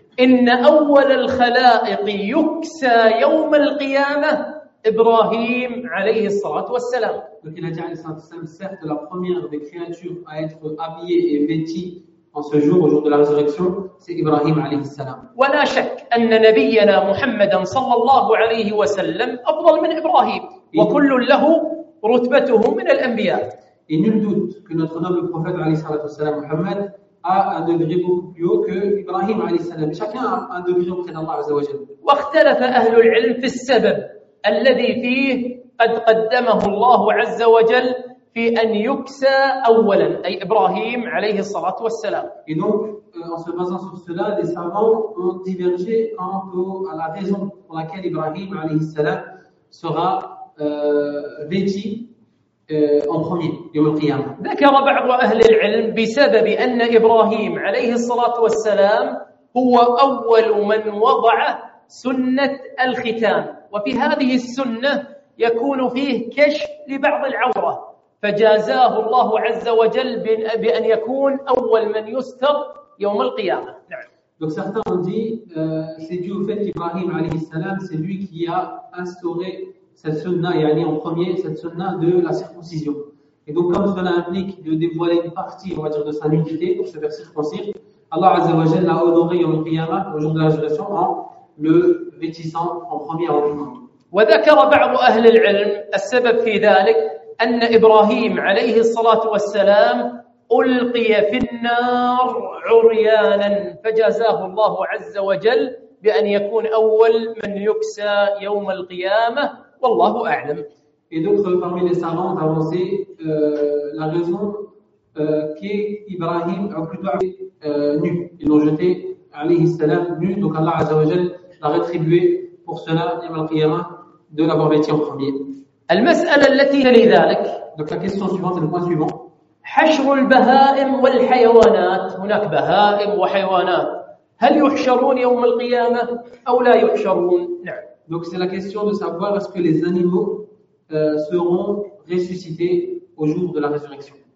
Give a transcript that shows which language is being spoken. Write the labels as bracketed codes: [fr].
[ar] إن أول الخلائق يكسى يوم القيامة إبراهيم عليه الصلاة والسلام [fr] donc il a dit [ar] عليه الصلاة والسلام [fr] certes la première des créatures à être habillée et vêtie en ce jour au jour de la résurrection c'est إبراهيم [ar] عليه السلام ولا شك أن نبينا محمدا صلى الله عليه وسلم أفضل من إبراهيم وكل له رتبته من الأنبياء [fr] Et nul doute que notre noble prophète [ar] عليه الصلاة والسلام محمد [fr] a un degré beaucoup plus haut que Ibrahim [ar] عليه السلام. [fr] Chacun a un degré auprès d'Allah [ar] عز وجل. واختلف أهل العلم في السبب الذي فيه قد قدمه الله عز وجل في أن يكسى أولا أي إبراهيم عليه الصلاة والسلام. [fr] Et donc en se basant sur cela, les savants ont divergé quant à la raison pour laquelle Ibrahim [ar] عليه السلام [fr] sera vêti. En premier, [ar] ذكر بعض أهل العلم بسبب أن إبراهيم عليه الصلاة والسلام هو أول من وضع سنة الختان وفي هذه السنة يكون فيه كشف لبعض العورة فجازاه الله عز وجل بأن يكون أول من يستر يوم القيامة [fr] Donc certains ont dit c'est dû au fait qu'Ibrahim [ar] عليه السلام [fr] c'est lui qui a instauré cette sunna, yani en premier, cette sunna de la circoncision. Et donc, comme cela implique de dévoiler une partie, on va dire, de sa nudité pour se faire circoncire, Allah Azza wa Jalla l'a honoré en priyama, au jour de la résurrection, en le vêtissant en premier avant tout. [ar] وذكر بعض أهل العلم السبب في ذلك أن إبراهيم عليه الصلاة والسلام ألقي في النار عريانا فجازاه الله عز وجل بأن يكون أول من يكسى يوم القيامة والله أعلم. [fr] Et donc parmi les savants avancés, la raison qu'Ibrahim a plutôt nu, ils l'ont jeté [ar] عليه السلام [fr] nu, donc Allah [ar] عز وجل [fr] l'a rétribué pour cela [ar] يوم القيامة [fr] de l'avoir vêti en premier. [ar] المسألة التي تلي ذلك. [fr] Donc la question suivante est le point suivant. [ar] حشر البهائم والحيوانات هناك بهائم وحيوانات هل يحشرون يوم القيامة أو لا يحشرون نعم. [fr] Donc c'est la question de savoir est-ce que les animaux seront ressuscités au jour de la résurrection.